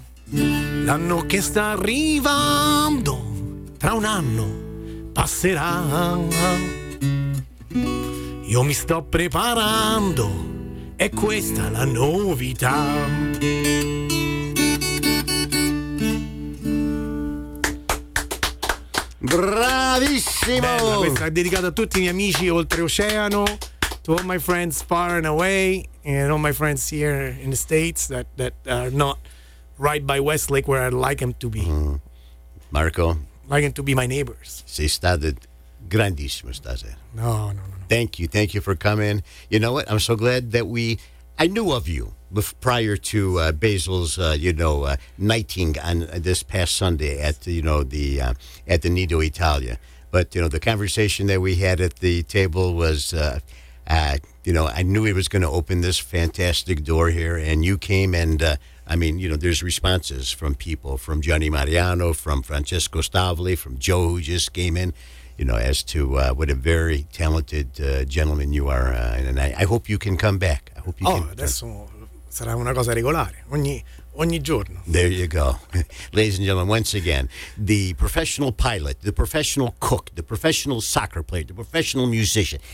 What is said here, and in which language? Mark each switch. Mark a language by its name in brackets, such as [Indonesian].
[Italian] L'anno che sta arrivando tra un anno passerà, io mi sto preparando. E questa la novità. Bravissimo! Bella, questa è dedicata a tutti i miei amici oltreoceano. [English] To all my friends far and away, and all my friends here in the States that are not right by Westlake where I'd like them to be. Mm. Marco. Like them to be my neighbors. [Italian] Sei stato grandissimo stasera. No. [English] Thank you for coming. You know what? I'm so glad that I knew of you prior to Basil's, knighting on this past Sunday at, at the Nido Italia. But, you know, the conversation that we had at the table was, I knew he was going to open this fantastic door here, and you came, and, there's responses from people, from Gianni Mariano, from Francesco Stavoli, from Joe, who just came in. you know, as to what a very talented gentleman you are, and I hope you can come back. I hope you [Italian] can. Oh, adesso sarà una cosa regolare ogni giorno. [English] There you go. Ladies and gentlemen, once again, the professional pilot, the professional cook, the professional soccer player, the professional musician.